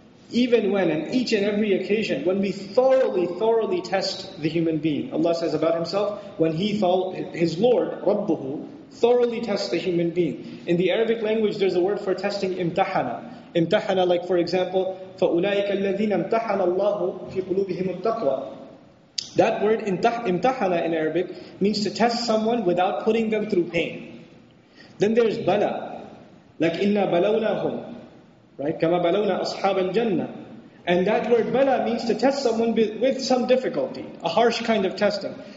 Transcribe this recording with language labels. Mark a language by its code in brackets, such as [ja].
[en] Even when, and each and every occasion, when we thoroughly test the human being. Allah says about himself, when his Lord, رَبُّهُ, thoroughly test the human being. In the Arabic language, there's a word for testing, imtahana. Imtahana, like for example, [ar] فَأُولَٰئِكَ الَّذِينَ امْتَحَنَ اللَّهُ فِي قُلُوبِهِمُ التَّقْوَى. [en] That word, imtahana in Arabic, means to test someone without putting them through pain. Then there's bala, like [ar] إِنَّا بَلَوْنَاهُمْ, [en] right? [ar] كَمَا بَلَوْنَا أَصْحَابَ الْجَنَّةِ. [en] And that word bala means to test someone with some difficulty, a harsh kind of testing.